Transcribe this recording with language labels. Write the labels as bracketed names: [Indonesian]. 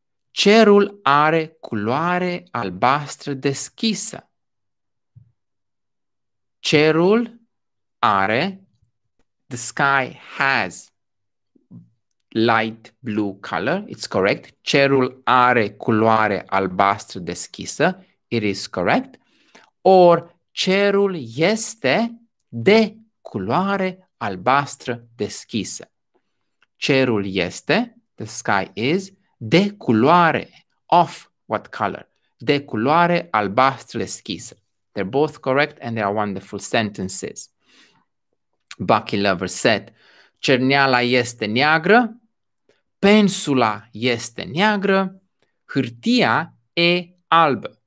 [Romanian] Cerul are culoare albastră deschisă. Cerul are, [English] the sky has light blue color. It's correct. [Romanian] Cerul are culoare albastră deschisă. [English] It is correct. [Romanian] Or cerul este de culoare albastră deschisă. Cerul este, [English] the sky is, [Romanian] de culoare, [English] of what color? [Romanian] De culoare albastră deschisă. [English] They're both correct and they are wonderful sentences. [Romanian] Bucky Lover said, cerneala este neagră, pensula este neagră, hârtia e albă.